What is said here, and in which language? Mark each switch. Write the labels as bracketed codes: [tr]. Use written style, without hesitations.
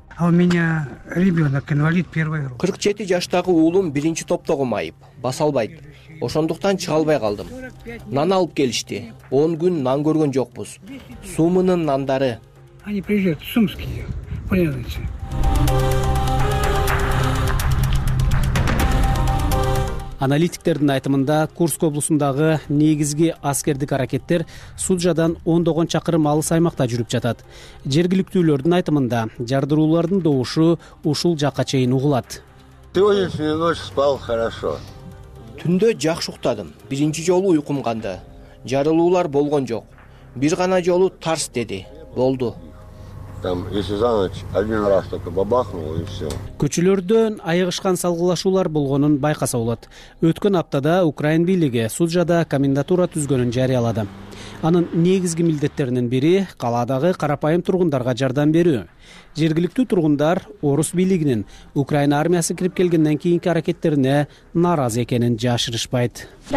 [ru] А у меня ребенок инвалид первой группы. [ky] 47 жаштагы уулум биринчи топтогу майып, баса албайт. Ошондуктан чыга албай калдым. Нан алып келишти. 10 күн нан көргөн жокпуз. Сумунун нандары. [ru] Они приезжают в Сумские, понимаете? [ky] Аналитиктердин айтымында Курск облусундагы негизги аскердик аракеттер Суджадан 10 чакырым алыс аймакта жүрүп жатат. Жергиликтүүлөрдүн айтымында жардыруулардын добушу ушул жакка чейин угулат. [ru] Сегодняшнюю ночь спал хорошо. [ky] Түндө жакшы уктадым. Биринчи жолу уйкум канды. Жарылуулар болгон жок. Бир гана жолу тарс деди. Болду. [ru] Там, если за ночь один раз только бабахнуло и все. [ky] Көчөлөрдөн айыгышкан салгылашуулар болгонун байкаса болот. Өткөн аптада Украин бийлиги Суджада комендатура түзгөнүн жарыялады. Анын негизги милдеттеринин бири калаадагы карапайым тургундарга жардам берүү. Жергиликтүү тургундар орус бийлигинин Украин армиясы кирип келгенден кийинки аракеттерине нааразы экенин жашырышпайт.